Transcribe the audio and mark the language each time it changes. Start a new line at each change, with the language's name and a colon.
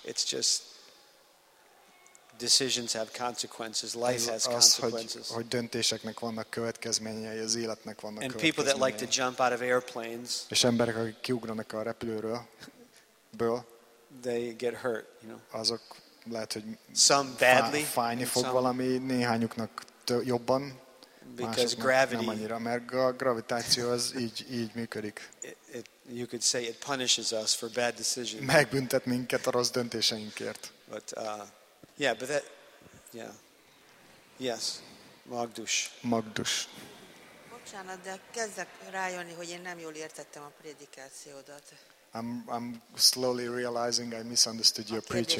English: It's just decisions have consequences, life has consequences.
Hungarian: Hogy döntéseknek vannak következményei, az életnek vannak
English: and
Hungarian: következményei.
English: People that like to jump out of airplanes,
Hungarian: és emberek, akik kiugranak a repülőről,
English: they get hurt, you know.
Hungarian: Azok lehet, hogy
English: some badly,
Hungarian: fájni fog some valami néhányuknak jobban,
English: because gravity,
Hungarian: nem annyira, mert a gravitáció az így működik.
English: You could say it punishes us for bad decisions.
Hungarian: Megbüntet minket a rossz döntéseinkért.
English: Yeah, but that, yeah. Yes, Magdus. Magdus.
Hungarian: Bocsánat, de kezdek rájönni, hogy én nem jól értettem a prédikációdat.
English: I'm slowly realizing I misunderstood your preaching.